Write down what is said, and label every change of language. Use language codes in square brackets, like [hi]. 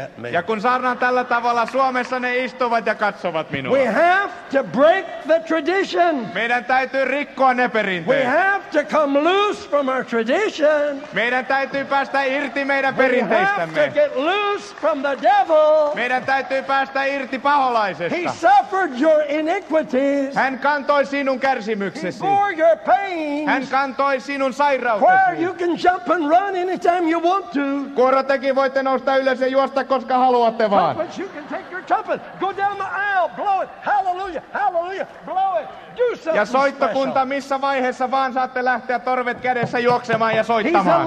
[fi] Ja kun saarnaan tällä tavalla Suomessa, ne istuvat ja katsovat minua. [en] We have to break the tradition. [fi] Meidän täytyy rikkoa ne perinteet. [en] We have to come loose from our tradition. [fi] Meidän täytyy päästä irti meidän perinteistämme. [en] We have to get loose from the devil. [fi] Meidän täytyy päästä irti. [en] He suffered your iniquities. [fi] Hän kantoi sinun kärsimyksesi. [en] He bore your pains. [fi] Hän kantoi sinun sairautesi. [en] Where you can jump and run anytime you want to. [fi] Kuorotekin voitte nousta ylös ja juosta koska haluatte vaan. [en] Trumpets, you can take your trumpet. Go down the aisle, blow it. Hallelujah, hallelujah, blow it. Do something. [fi] Ja soittokunta missä vaiheessa vaan saatte lähteä torvet kädessä juoksemaan ja soittamaan.